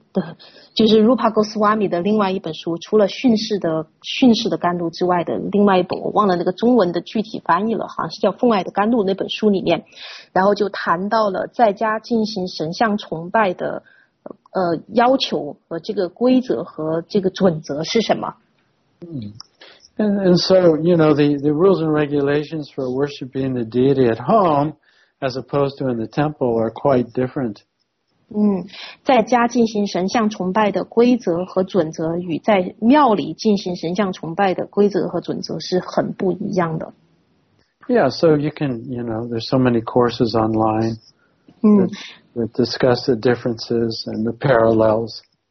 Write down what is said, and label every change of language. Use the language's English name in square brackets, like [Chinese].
[Chinese] 对，就是 Rupa Goswami 的另外一本书，除了训示的甘露之外的另外一本，我忘了那个中文的具体翻译了，好像是叫奉爱的甘露那本书里面，然后就谈到了在家进行神像崇拜的要求和这个规则和这个准则是什么。 [English] And so, the rules and regulations for worshiping the deity at home as opposed to in the temple are quite different. [Chinese] 在家进行神像崇拜的规则和准则与在庙里进行神像崇拜的规则和准则是很不一样的。 [English] Yeah, so you can, there's so many courses online that discuss the differences and the parallels.